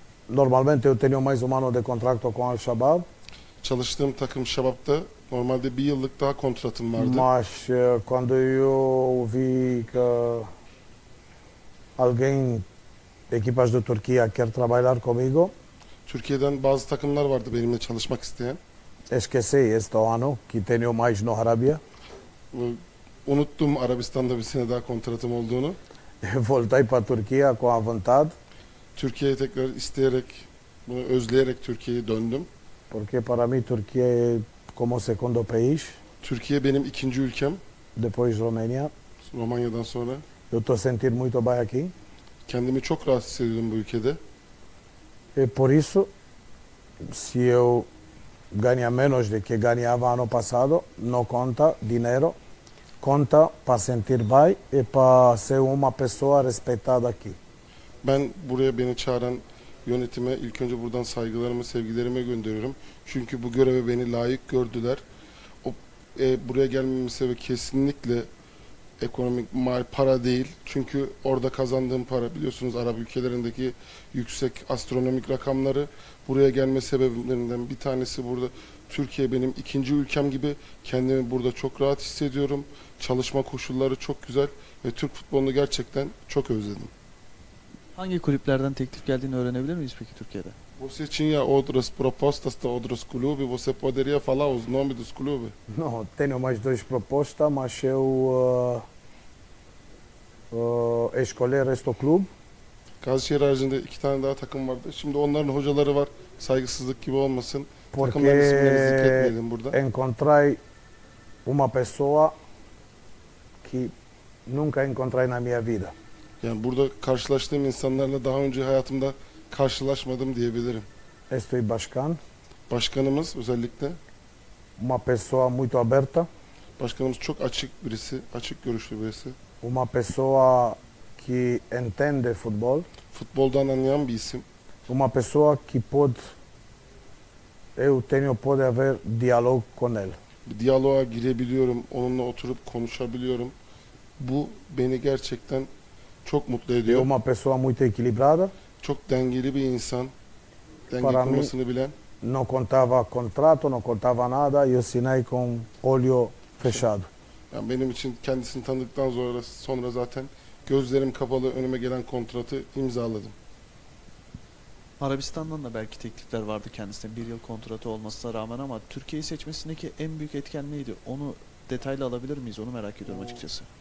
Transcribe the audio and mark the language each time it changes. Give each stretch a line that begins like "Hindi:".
Portuguese: Normalmente eu tenho mais um ano de contrato com o Al-Shabaab.
Turkish: Çalıştığım takım Şabab'da normalde bir yıllık daha kontratım vardı.
Portuguese: Mas quando eu vi que alguém equipas de Turquia quer trabalhar comigo.
Turkish: Türkiye'den bazı takımlar vardı benimle çalışmak isteyen.
Portuguese: Esqueci este ano que tenho mais no Arabia.
Turkish: Unuttum Arabistan'da bir sene daha kontratım olduğunu.
Portuguese: Voltei para Turquia com a vontade.
Turkish: Türkiye'yi tekrar isteyerek, bunu özleyerek Türkiye'ye döndüm.
Portuguese: Porque para mim Turquia é como segundo país.
Turkish: Türkiye benim ikinci ülkem.
Portuguese: Depois Romênia.
Turkish: Romanya'dan sonra.
Portuguese: Eu estou sentindo muito bem aqui.
Turkish: Kendimi çok rahat hissediyorum bu ülkede.
Portuguese: E por isso, se eu ganha menos de que ganhava ano passado, não conta dinheiro, conta para sentir bem e para ser uma pessoa respeitada aqui.
Turkish: Ben buraya beni çağıran yönetime ilk önce buradan saygılarımı, sevgilerimi gönderiyorum. Çünkü bu göreve beni layık gördüler. Buraya gelmemin sebebi kesinlikle ekonomik para değil. Çünkü orada kazandığım para, biliyorsunuz Arap ülkelerindeki yüksek astronomik rakamları, buraya gelme sebeplerinden bir tanesi burada. Türkiye benim ikinci ülkem gibi, kendimi burada çok rahat hissediyorum. Çalışma koşulları çok güzel ve Türk futbolunu gerçekten çok özledim. Hangi kulüplerden teklif geldiğini öğrenebilir miyiz peki Türkiye'de?
Portuguese: Você tinha outras propostas de outros clubes? Você poderia falar os nomes dos clubes? Não, tenho mais duas propostas, mas eu escolher este clube.
Turkish: Gazişehir haricinde iki tane daha takım vardı. Şimdi onların hocaları var. Saygısızlık gibi olmasın.
Portuguese: Porque
Turkish: takımların isimlerini zikretmeyelim burada.
Portuguese: Encontrei uma pessoa que nunca encontrei na minha vida.
Turkish: Yani burada karşılaştığım insanlarla daha önce hayatımda karşılaşmadım diyebilirim. Estoy başkan. Başkanımız özellikle.
Portuguese: Uma pessoa muito aberta.
Turkish: Başkanımız çok açık birisi, açık görüşlü birisi.
Portuguese: Uma pessoa que entende futebol.
Turkish: Futboldan anlayan bir isim.
Portuguese: Uma pessoa que pode, eu tenho poder haver diálogo com ele.
Turkish: Bir diyaloğa girebiliyorum, onunla oturup konuşabiliyorum. Bu beni gerçekten çok mutlu ediyor.
Portuguese: E uma pessoa muito equilibrada.
Turkish: Çok dengeli bir insan. Denge para kurmasını mi, bilen.
Portuguese: Não contava contrato, não contava nada. Eu assinei com olho fechado.
Turkish: Yani benim için kendisini tanıdıktan sonra zaten gözlerim kapalı önüme gelen kontratı imzaladım. Arabistan'dan da belki teklifler vardı kendisine bir yıl kontratı olmasına rağmen ama Türkiye'yi seçmesindeki en büyük etken neydi? Onu detaylı alabilir miyiz? Onu merak ediyorum açıkçası.